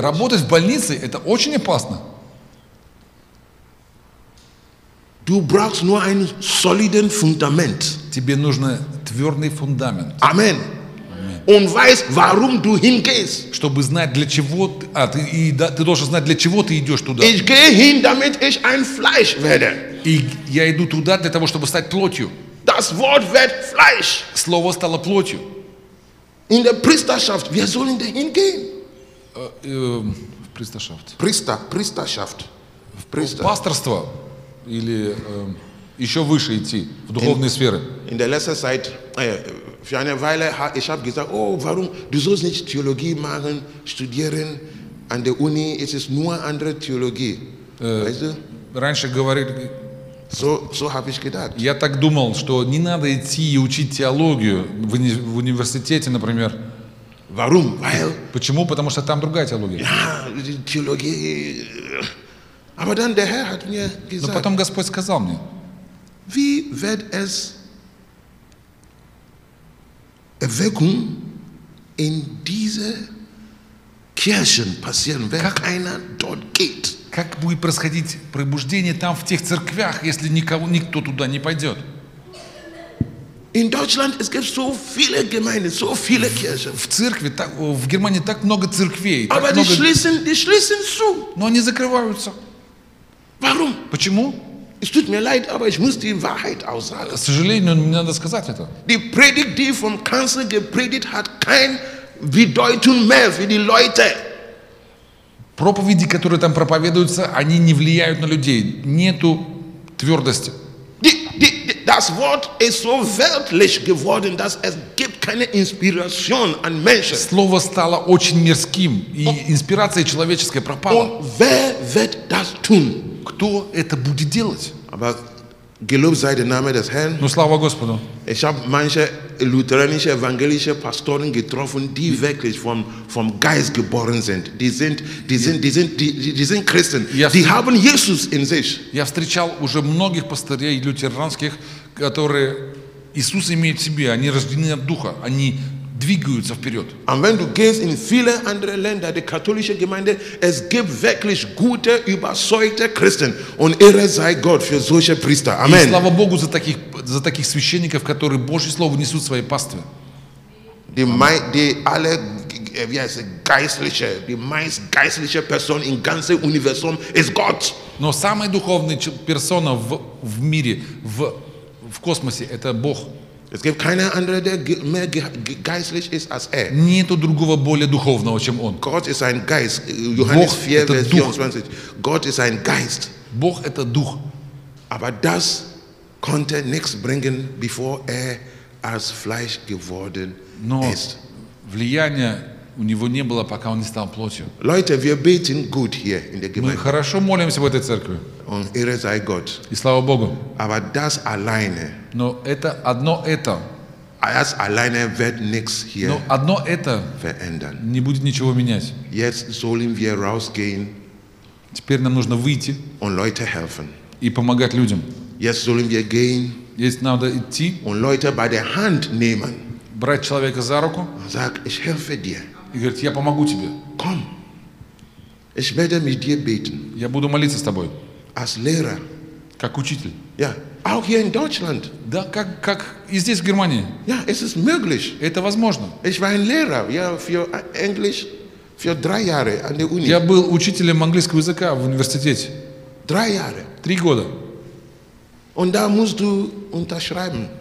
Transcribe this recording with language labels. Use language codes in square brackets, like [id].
[ru] Работать в больнице это очень опасно. [de] Du brauchst nur ein solides Fundament. [ru] Тебе нужно твёрдый фундамент. [de] Amen. Und weiß, warum du hingehst. [ru] Чтобы знать для чего ты должен знать для чего ты идешь туда. [de] Ich gehe hin, damit ich ein Fleisch werde. [ru] И я иду туда для того, чтобы стать плотью. [de] Das Wort wird Fleisch. [ru] Слово стало плотью. [de] In der Priesterschaft, wir sollen da hingehen. [ru] В Priesterschaft. [de] Priesterschaft. [ru] В пасторство или еще выше идти в духовные сферы. [de] In der letzten Zeit. Für eine Weile habe ich gesagt, oh, warum, du sollst nicht Theologie machen, studieren an der Uni, es ist nur andere Theologie, weißt du? [ru] Раньше говорил, [de] so habe ich gedacht. [ru] Я так думал, что не надо идти и учить теологию в университете, например. [de] Warum? Weil? [ru] Почему? Потому что там другая теология. [de] Ja, Theologie. Aber dann der Herr hat mir gesagt. [ru] Но потом Господь сказал мне. [de] Wie wird es Erweckung in diese Kirchen passieren, wenn keiner dort geht. [ru] Как будет происходить пробуждение там в тех церквях, если никто туда не пойдет? [de] In Deutschland es gibt so viele Gemeinden, so viele Kirchen. [ru] В Германии так много церквей. [de] Aber die schließen zu. [ru] Но они закрываются. [de] Warum? [ru] Почему? [de] Es tut mir leid, aber ich muss die Wahrheit aussagen. [ru] К сожалению, мне надо сказать это. [de] Die Predigt, die vom Kanzler gepredigt hat, keine Bedeutung mehr für die Leute. [ru] Проповеди, которые там проповедуются, они не влияют на людей. Нету твердости. [de] Das Wort ist so weltlich geworden, dass es gibt keine Inspiration an Menschen. [ru] Слово стало очень мирским, и инспирация человеческая пропала. [de] Und wer wird das tun? [ru] Кто это будет делать? [de] Aber gelobt sei der Name des Herrn. [ru] Ну слава Господу. [de] Ich habe manche lutheranische, evangelische Pastoren getroffen, die wirklich vom Geist geboren sind. Die sind Christen. Die haben Jesus in sich. [ru] Я встречал уже многих пастырей лютеранских, которые Иисус имеют в себе. Они рождены от Духа. Они двигаются вперед. [en] And when you gaze [de] in viele andere Länder, die katholische Gemeinde, es gibt wirklich gute, überzeugte Christen. Und ehre sei Gott für solche Priester. Amen. [ru] И слава Богу за таких священников, которые Божье Слово несут в своей пастве. [de] Die meist geistliche Person im ganzen Universum ist Gott. [ru] Но самая духовная персона в мире, в космосе, это Бог. [de] Es gibt keinen anderen, der mehr geistlich ist als er. [ru] Нету другого более духовного, чем он. [de] Gott ist ein Geist. Johannes 4, Vers 24. Gott ist ein Geist. [ru] Бог это дух. [de] Aber das konnte nichts bringen, bevor er als Fleisch geworden ist. [ru] Влияния у него не было, пока он не стал плотью. [de] Leute, wir beten gut hier in der Gemeinde. [ru] Мы хорошо молимся в этой церкви. [de] Und ehre sei Gott. [ru] И слава Богу. [de] Aber das alleine. [ru] Но это одно это. [de] As alleine wird nichts hier. [ru] Но одно это [de] verändern. [ru] Не будет ничего менять. [de] Jetzt sollen wir rausgehen. [ru] Теперь нам нужно выйти. [de] Und Leute helfen. [ru] И помогать людям. [de] Jetzt sollen wir gehen. Jetzt [ru] надо идти. [de] Und Leute [en] by the hand [de] nehmen. [ru] Брать человека за руку. [de] Sag, ich helfe dir. [ru] И говорит, я помогу тебе. [de] Komm. Ich werde mit dir beten. [ru] Я буду молиться с тобой. [de] Als Lehrer. [ru] Как учитель. [de] Ja. Auch hier in Deutschland. [ru] Да, как и здесь, в Германии. [de] Ja, es ist möglich. [ru] Это возможно. [de] Ich war ein Lehrer, ja, für Englisch, für 3 Jahre an der Uni. [ru] Я был учителем английского языка в университете. [de] 3 Jahre. [ru] 3 года. [de] Und da musst du unterschreiben.